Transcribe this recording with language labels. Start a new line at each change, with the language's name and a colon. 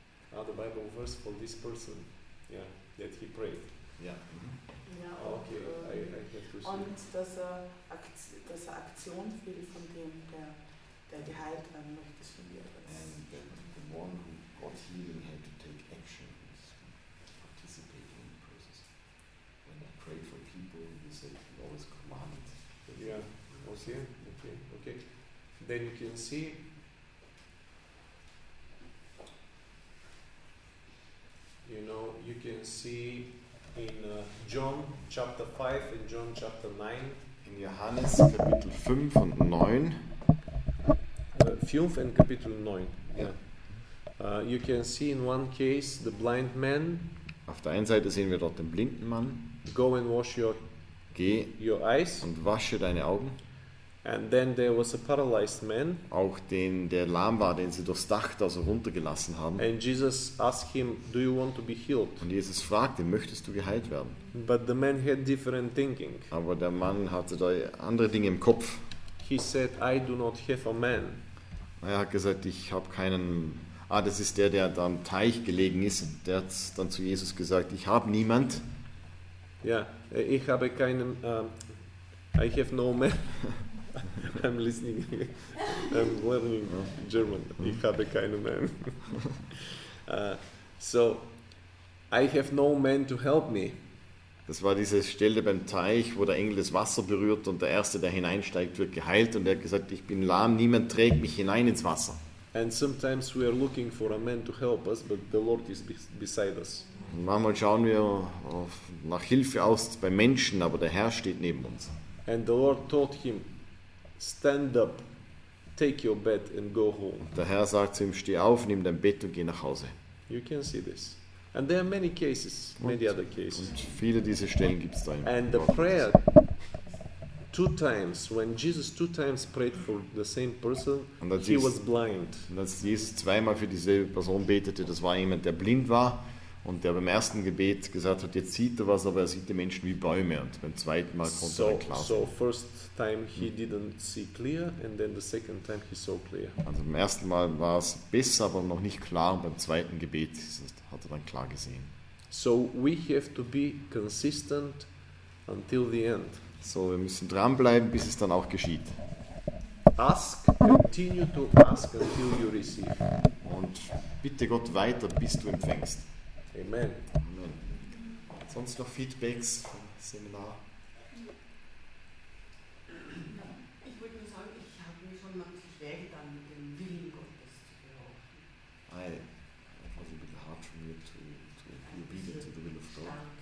English: The Bible verse for this person, yeah, that he prayed. Yeah.
German: Ja, und, okay,
English: I have to
German: und dass er Aktion will von dem, der geheilt werden möchte, von dir.
English: And the one who got healing had to take action, participate in the process. When I prayed for people, he said, he always commanded. Yeah, was here? Okay. Then you can see. You know, you can see in John chapter 5 and John chapter 9.
German: In Johannes Kapitel 5 und 9. 5 and Kapitel 9.
English: You can see in one case the blind man.
German: Auf der einen Seite sehen wir dort den blinden Mann.
English: Go and wash your eyes.
German: Und wasche deine Augen.
English: And then there was a paralyzed man.
German: Auch den, der lahm war, den sie durchs Dach da so runtergelassen haben.
English: And Jesus asked him, "Do you want to be healed?"
German: Und Jesus fragte, möchtest du geheilt werden?
English: But the man had different thinking.
German: Aber der Mann hatte da andere Dinge im Kopf.
English: He said, "I do not have a man."
German: Er hat gesagt, ich habe keinen. Das ist der da am Teich gelegen ist. Der hat dann zu Jesus gesagt, ich habe niemand.
English: Ja, yeah,
German: ich habe keinen.
English: I have no man. I'm listening. I'm learning German.
German: Ich habe keinen Mann.
English: So, I have no man to help me.
German: Das war diese Stelle beim Teich, wo der Engel das Wasser berührt und der Erste, der hineinsteigt, wird geheilt und er hat gesagt, ich bin lahm, niemand trägt mich hinein ins Wasser.
English: And sometimes we are looking for a man to help us, but the Lord is beside us.
German: Manchmal schauen wir nach Hilfe aus bei Menschen, aber der Herr steht neben uns.
English: And the Lord told him, stand up, take your bed and go home.
German: Und der Herr sagt zu ihm, steh auf, nimm dein Bett und geh nach Hause.
English: You can see this. And there are many cases, many other cases.
German: Und viele dieser Stellen gibt's da.
English: And the prayer two times when Jesus two times prayed for the same person,
German: und als
English: he was blind.
German: Und als Jesus zweimal für dieselbe Person betete, das war jemand, der blind war und der beim ersten Gebet gesagt hat, jetzt sieht er was, aber er sieht die Menschen wie Bäume, und beim zweiten Mal konnte er klar
English: sehen. So first time he didn't see clear and then the second time he saw clear.
German: Also beim ersten Mal war es besser, aber noch nicht klar, und beim zweiten Gebet hat er dann klar gesehen.
English: So we have to be consistent until the end.
German: So, wir müssen dranbleiben, bis es dann auch geschieht.
English: Ask, continue to ask until you receive.
German: Und bitte Gott weiter, bis du empfängst.
English: Amen.
German: Amen. Sonst noch Feedbacks vom Seminar? Ich wollte nur sagen, ich habe mir schon mal schwer getan, mit dem Willen Gottes zu behaupten.
English: It was a bit hard for me to be obedient to the will of God.